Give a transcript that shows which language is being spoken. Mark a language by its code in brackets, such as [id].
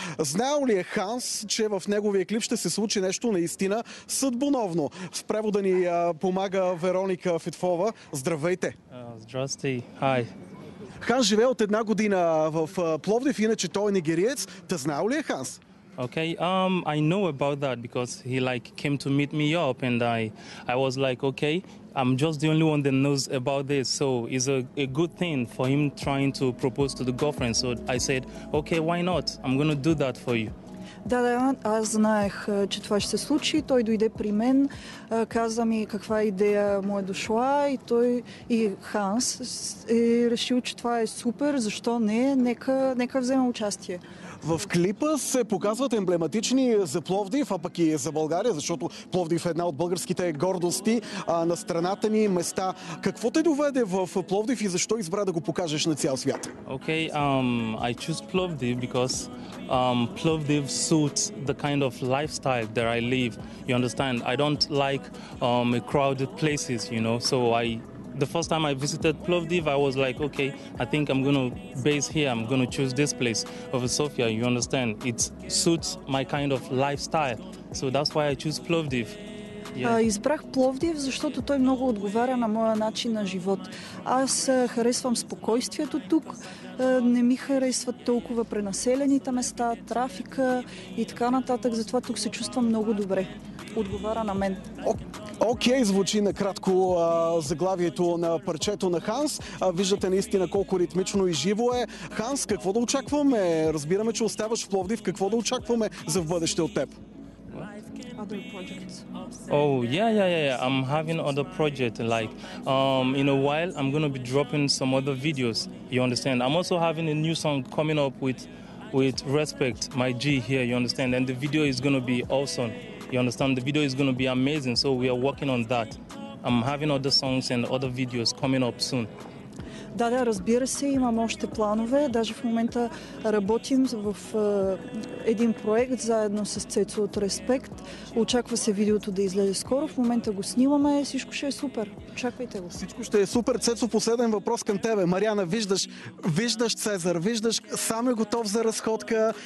[bg] Знаел ли е Ханс, че в неговия клип ще се случи нещо наистина съдбоновно? В превода ни помага Вероника Фитфова. Здравейте! Здрасти! Хай! Ханс живее от една година в Пловдив, иначе той е нигериец. Та знаел ли е Ханс? [en] Okay, I know about that because he like came to meet me up and I was like, okay, I'm just the only one that knows about this. So it's a good thing for him trying to propose to the girlfriend. So I said, okay, why not? I'm going to do that for you. [bg] Да, аз знаех, че това ще се случи. Той дойде при мен, каза ми каква идея му е дошла и той и Ханс е решил, че това е супер, защо не, нека взема участие. В клипа се показват емблематични за Пловдив, а пък и за България, защото Пловдив е една от българските гордости на страната ни, места. Какво те доведе в Пловдив и защо избра да го покажеш на цял свят? [en] Okay, I choose Plovdiv because Plovdiv suits the kind of lifestyle that I live. You understand? I don't like crowded places, you know. So the first time I visited Plovdiv, I was like, okay, I think I'm going to base here. I'm going to choose this place over Sofia. You understand? It suits my kind of lifestyle. So that's why I choose Plovdiv. Yeah. [bg] Избрах Пловдив, защото той много отговаря на моя начин на живот. Аз харесвам спокойствието тук, не ми харесват толкова пренаселените места, трафика и така нататък, затова тук се чувствам много добре. Отговаря на мен. Окей, звучи накратко заглавието на парчето на Ханс. Виждате наистина колко ритмично и живо е. Ханс, какво да очакваме? Разбираме, че оставаш в Пловдив. Какво да очакваме за бъдеще от теб? [en] I'm having other project, like in a while I'm gonna be dropping some other videos, you understand. I'm also having a new song coming up with Respect, my G here, you understand, and the video is gonna be awesome, you understand, the video is gonna be amazing, so we are working on that. I'm having other songs and other videos coming up soon. [bg] Да, разбира се, имам още планове. Даже в момента работим в един проект заедно с Цецо от Респект. Очаква се видеото да излезе скоро. В момента го снимаме. Всичко ще е супер. Очаквайте го. Всичко ще е супер. Цецо, последен въпрос към тебе. Мариана, виждаш Цезар, виждаш, сам е готов за разходка.